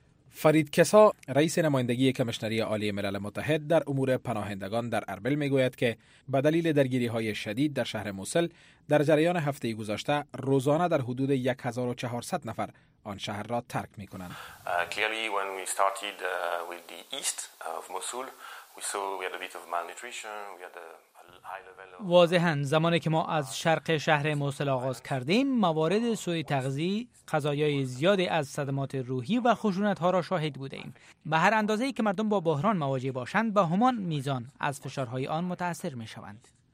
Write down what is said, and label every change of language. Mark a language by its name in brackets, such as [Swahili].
[Persian] فرید کسا، رئیس نمایندگی کمیشنری عالی ملل متحد در امور پناهندگان در اربیل میگوید که به دلیل درگیری‌های شدید در شهر موصل در جریان هفته گذشته روزانه در حدود 1400 نفر آن شهر را ترک می‌کنند. [English] Clearly when we started with the east of Mosul, we saw we had a bit of malnutrition, we had a [Persian] واضحاً زمانی که ما از شرق شهر موصل آغاز کردیم، موارد سوء تغذیه، قضایای زیادی از صدمات روحی و خشونت‌ها را شاهد بودیم. به هر اندازه‌ای که مردم با بحران مواجه باشند، به همان میزان از فشارهای آن متاثر می‌شوند.